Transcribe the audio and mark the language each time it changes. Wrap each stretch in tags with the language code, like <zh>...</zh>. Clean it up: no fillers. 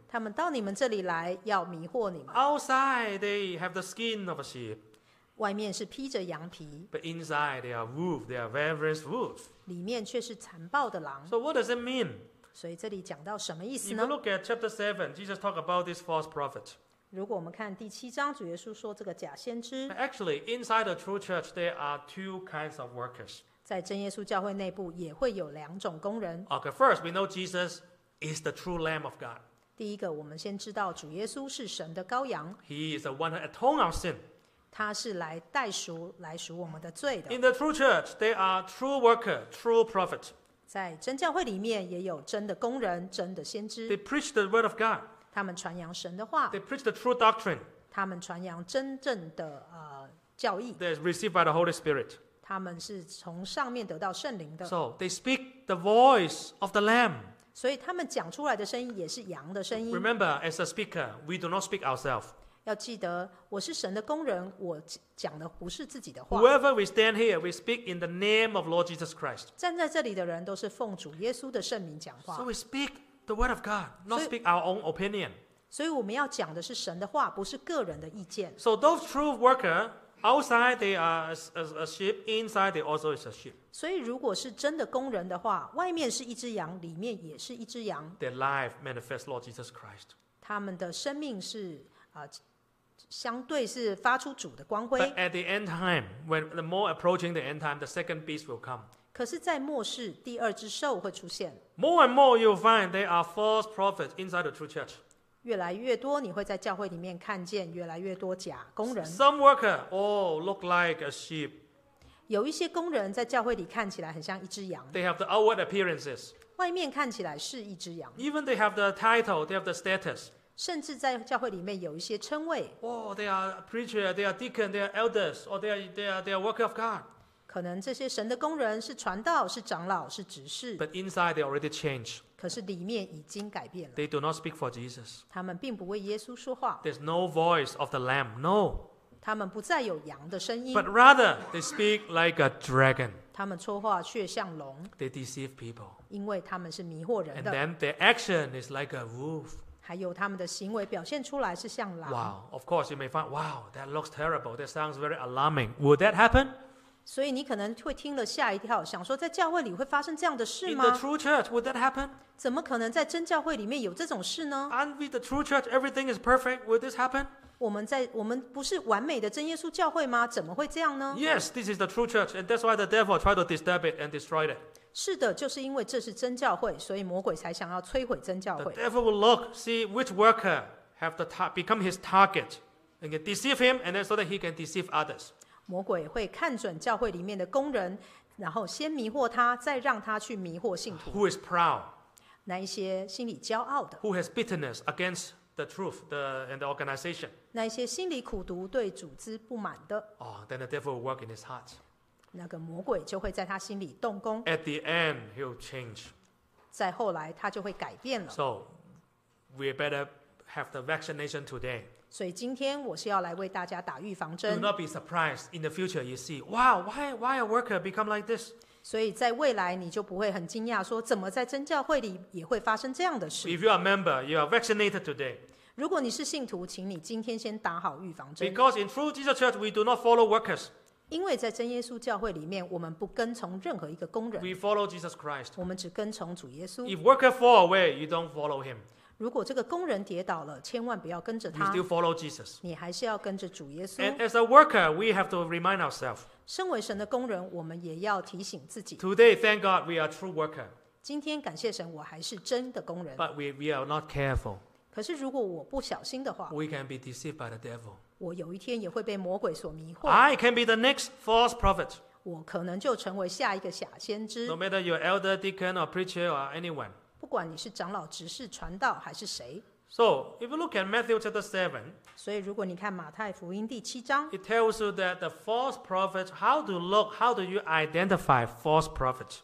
<zh>他们到你们这里来要迷惑你们。</zh> <en>Outside, they have the skin of a sheep.</en> <zh>外面是披着羊皮。</zh> <en>But inside, they are wolves, they are ravenous wolves.</en> <zh>里面却是残暴的狼。</zh> <en>So what does it mean?</en> <zh>所以这里讲到什么意思呢？</zh> <en>If you look at chapter 7, Jesus talked about this false prophet.</en> <zh>如果我们看第七章，主耶稣说这个假先知。</zh> <en>Actually, inside the true church, there are two kinds of workers.</en> <zh>在真耶稣教会内部也会有两种工人。</zh> <en>Okay, first we know Jesus is the true Lamb of God.</en> <zh>第一个我们先知道主耶稣是神的羔羊。</zh> <en>He is the one who atone our sin.</en> <zh>他是来代赎，来赎我们的罪的。</zh> <en>In the true church, there are true worker, true prophet.</en> <zh>在真教会里面也有真的工人，真的先知。</zh> <en>They preach the word of God.</en> <zh>他们传扬神的话。</zh> <en>They preach the true doctrine.</en> <zh>他们传扬真正的教义。</zh> <en>They are received by the Holy Spirit.</en> <zh>他们是从上面得到圣灵的。</zh> <en>So they speak the voice of the Lamb.</en> <zh>所以他们讲出来的声音也是羊的声音。</zh> <en>Remember, as a speaker, we do not speak ourselves.</en> <zh>要记得，我是神的工人，我讲的不是自己的话。</zh> <en>Whoever we stand here, we speak in the name of Lord Jesus Christ.</en> <zh>站在这里的人都是奉主耶稣的圣名讲话。</zh> <en>So we speak the word of God, not speak our own opinion.</en> <zh>所以我们要讲的是神的话，不是个人的意见。</zh> <en>So those true workersOutside they are a sheep, inside they also is a sheep.</en> <zh>所以如果是真的工人的话，外面是一只羊，里面也是一只羊。</zh> <en>Their life manifests Lord Jesus Christ.</en> <zh>他们的生命是相对是发出主的光辉。</zh> <en>But at the end time, when the more approaching the end time, the second beast will come.</en> <zh>可是在末世，第二只兽会出现。</zh> <en>More and more you'll find they are false prophets inside the true church.</en> <zh>越来越多你会在教会里面看见越来越多假工人。</zh> <en>Some worker all look like a sheep.</en> <zh>有一些工人在教会里看起来很像一只羊。</zh> <en>They have the outward appearances.</en> <zh>外面看起来是一只羊。</zh> <en>Even they have the title, they have the status.</en> <zh>甚至在教会里面有一些称谓。</zh> <en>Oh, they are a preacher, they are deacon, they are elders, or they are worker of God.</en> <zh>可能这些神的工人是传道，是长老，是执事。</zh> <en>But inside they already changed.</en> <zh>可是里面已经改变了。</zh> <en>They do not speak for Jesus.</en> <zh>他们并不为耶稣说话。</zh> <en>There's no voice of the Lamb. No.</en> <zh>他们不再有羊的声音。</zh> <en>But rather, they speak like a dragon.</en> <zh>他们说话却像龙。</zh> <en>They deceive people.</en> <zh>因为他们是迷惑人的。</zh> <en>And then their action is like a wolf.</en> <zh>还有他们的行为表现出来是像狼。</zh> <en>Wow. Of course, you may find, wow, that looks terrible. That sounds very alarming. Would that happen?</en> <zh>所以你可能会听了吓一跳，想说在教会里会发生这样的事吗？</zh> <en>In the true church, would that happen?</en> <zh>怎么可能在真教会里面有这种事呢？</zh> <en>Aren't we the true church? Everything is perfect. Would this happen?</en> <zh>我们不是完美的真耶稣教会吗？怎么会这样呢？</zh> <en>Yes, this is the true church, and that's why the devil tried to disturb it and destroy it.</en> <zh>是的，就是因为这是真教会，所以魔鬼才想要摧毁真教会。</zh> <en>The devil will look, see which worker have the become his target, and can deceive him, and then so that he can deceive others.</en> <zh>魔鬼会看准教会里面的工人，然后先迷惑他，再让他去迷惑信徒。</zh> <en>Who is proud?</en> <zh>那一些心里骄傲的。</zh> <en>Who has bitterness against the truth, and the organization?</en> <zh>那一些心里苦毒对组织不满的。</zh> <en>Oh, then the devil will work in his heart.</en> <zh>那个魔鬼就会在他心里动工。</zh> <en>At the end, he'll change.</en> <zh>再后来，他就会改变了。</zh> <en>So, we better have the vaccination today.</en> <zh>所以今天我是要来为大家打预防针。</zh> <en>Do not be surprised in the future. You see, wow, why a worker become like this?</en> <zh>所以在未来，你就不会很惊讶，说怎么在真教会里也会发生这样的事。</zh> <en>If you are a member, you are vaccinated today.</en> <zh>如果你是信徒，请你今天先打好预防针。</zh> <en>Because in true Jesus Church, we do not follow workers.</en> <zh>因为在真耶稣教会里面，我们不跟从任何一个工人。</zh> <en>We follow Jesus Christ.</en> <zh>我们只跟从主耶稣。</zh> <en>If worker fall away, you don't follow him.</en> <zh>如果这个工人跌倒了，千万不要跟着他。</zh> <en>You still follow Jesus.</en> <zh>你还是要跟着主耶稣。</zh> <en>And as a worker, we have to remind ourselves.</en> <zh>身为神的工人，我们也要提醒自己。</zh> <en>Today, thank God, we are true worker.</en> <zh>今天感谢神，我还是真的工人。</zh> <en>But we are not careful.</en> <zh>可是如果我不小心的话</zh> <en>，We can be deceived by the devil.</en> <zh>我有一天也会被魔鬼所迷惑。</zh> <en>I can be the next false prophet.</en> <zh>我可能就成为下一个假先知。</zh> <en>No matter your elder, deacon, or preacher, or anyone.</en> <zh>不管你是长老、执事、传道还是谁。</zh> <en>So if you look at Matthew chapter 7,</en> <zh>所以如果你看马太福音第七章</zh> <en>，It tells you that the false prophets, how to look, how do you identify false prophets?</en>